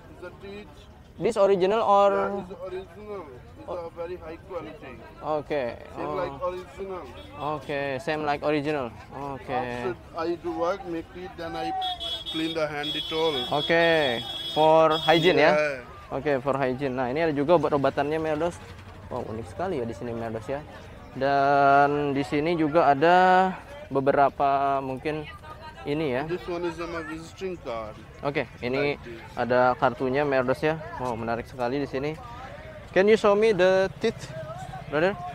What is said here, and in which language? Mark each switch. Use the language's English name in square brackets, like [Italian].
[English] It's a teeth. This original or? Yeah, it's original. It's a very high quality. Okay. Same like original. Okay, same like original. Okay. After I do work, make it, then I clean the hand it all. Okay, for hygiene yeah. Ya? Okay, for hygiene. [Indonesian] Nah, ini ada juga obat-obatannya Merados. Wow, unik sekali ya di sini Merados ya. Dan di sini juga ada beberapa mungkin. Ini ya. [English] This one is my visiting card. [Indonesian] Oke, okay, ini like ada kartunya Merados ya. Wow, menarik sekali di sini. [English] Can you show me the teeth, brother?